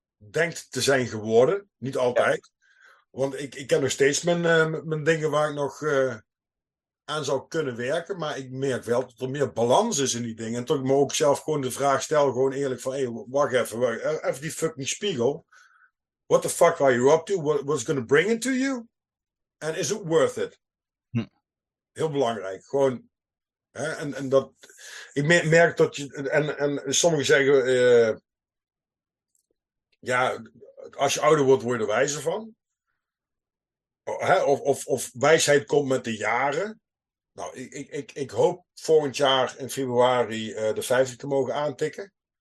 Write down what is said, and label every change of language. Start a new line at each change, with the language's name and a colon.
Dutch: Denkt te zijn geworden. Niet altijd. Ja. Want ik heb nog steeds mijn dingen waar ik nog aan zou kunnen werken. Maar ik merk wel dat er meer balans is in die dingen. En toch me ook zelf gewoon de vraag stel. Gewoon eerlijk van, hey, wacht even die fucking spiegel.
English: What the fuck are you up to? What's going to bring it to you? And is it worth it?
Dutch: Heel belangrijk. Gewoon En dat ik merk dat je en sommigen zeggen ja, als je ouder wordt, word je er wijzer van. Of wijsheid komt met de jaren. Nou, ik hoop volgend jaar in februari de 50 te mogen aantikken.